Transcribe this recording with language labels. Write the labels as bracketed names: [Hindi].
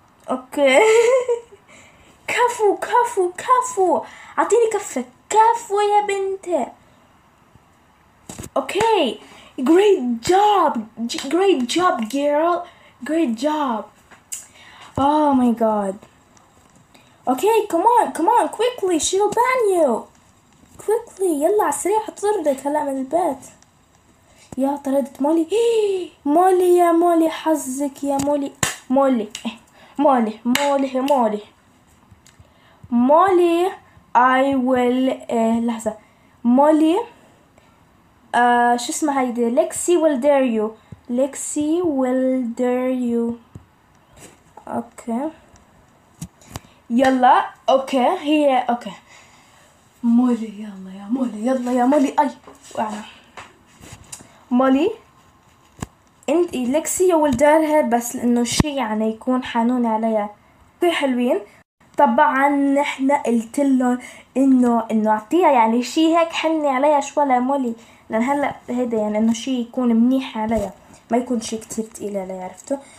[Arabic] اوكي كفو كفو كفو اعطيني كفه. كفو يا بنتي. [English] Okay great job great job girl great job. Oh my god. Okay come on come on quickly she'll ban you quickly. [Arabic] يلا سريع حطردك هلا من البيت. يا طردت مولي. مولي يا مولي حظك يا مولي. مولي مولي مولي مولي مولي [English] I will [Arabic] لحظة مولي شو اسمها هيدي. [English] Lexi will dare you. Lexi will dare you. Okay يلا okay هي okay. [Arabic] مولي يلا يا مولي يلا يا مولي. أي وعنا مولي انت لكسي يول دارها بس لانه شيء يعني يكون حنون عليا. كي حلوين طبعا نحن قلت لهم انه اعطيها يعني شيء هيك حني عليا شوي لمولي لان هلا هذا يعني انه شيء يكون منيح عليا ما يكون شيء كثير ثقيل علي عرفتوا.